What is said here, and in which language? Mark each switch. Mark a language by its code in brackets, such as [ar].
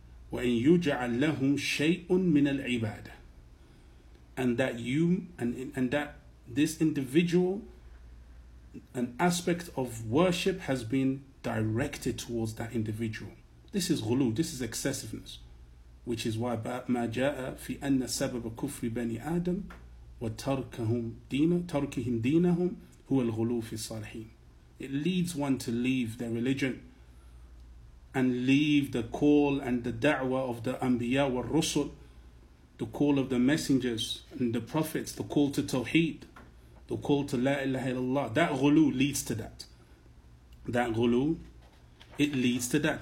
[ar] Wa in yuj'al lahum shay'un min al-ibadah, [en] and that this individual, an aspect of worship has been directed towards that individual. This is ghulu, this is excessiveness. Which is why [ar] ما جاء في أن سبب كفر بني آدم وتركهم دينهم هو الغلو في الصالحين. [en] It leads one to leave their religion and leave the call and the da'wah of the anbiya والرسل, the call of the messengers and the prophets, the call to tawheed, the call to La ilaha illallah. That ghulu leads to that. That ghulu, it leads to that.